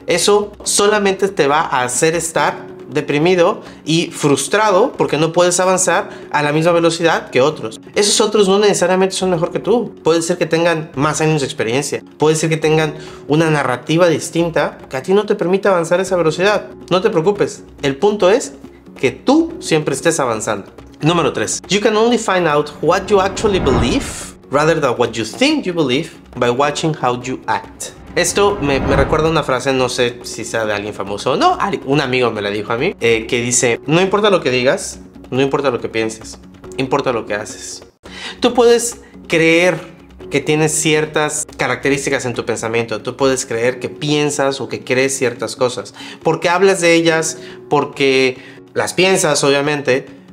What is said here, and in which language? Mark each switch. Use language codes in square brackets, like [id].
[es] Eso solamente te va a hacer estar deprimido y frustrado porque no puedes avanzar a la misma velocidad que otros. Esos otros no necesariamente son mejor que tú. Puede ser que tengan más años de experiencia. Puede ser que tengan una narrativa distinta que a ti no te permite avanzar a esa velocidad. No te preocupes. El punto es que tú siempre estés avanzando. Número 3. [en] You can only find out what you actually believe rather than what you think you believe by watching how you act. [es] Esto me recuerda una frase, no sé si sea de alguien famoso o no, un amigo me la dijo a mí, que dice, no importa lo que digas, no importa lo que pienses, importa lo que haces. Tú puedes creer que tienes ciertas características en tu pensamiento, tú puedes creer que piensas o que crees ciertas cosas, porque hablas de ellas, porque las piensas, obviamente.